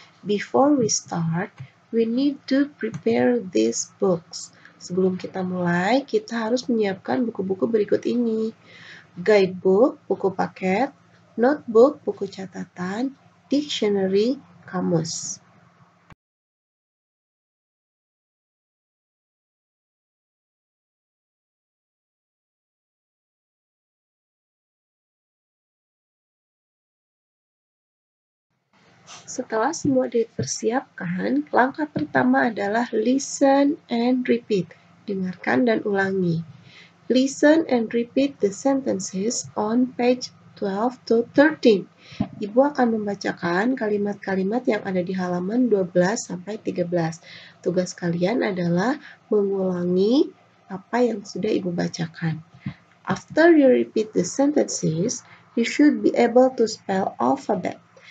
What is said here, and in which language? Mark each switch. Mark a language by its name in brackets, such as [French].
[English] Before we start, we need to prepare these books. [Indonesian] Sebelum kita mulai, kita harus menyiapkan buku-buku berikut ini. Guidebook, buku paket, notebook, buku catatan, dictionary, kamus. Setelah semua dipersiapkan, langkah pertama adalah [English] listen and repeat. [Indonesian] Dengarkan dan ulangi. [English] Listen and repeat the sentences on page 12 to 13. [Indonesian] Ibu akan membacakan kalimat-kalimat yang ada di halaman 12 sampai 13. Tugas kalian adalah mengulangi apa yang sudah Ibu bacakan. [English] After you repeat the sentences, you should be able to spell alphabet.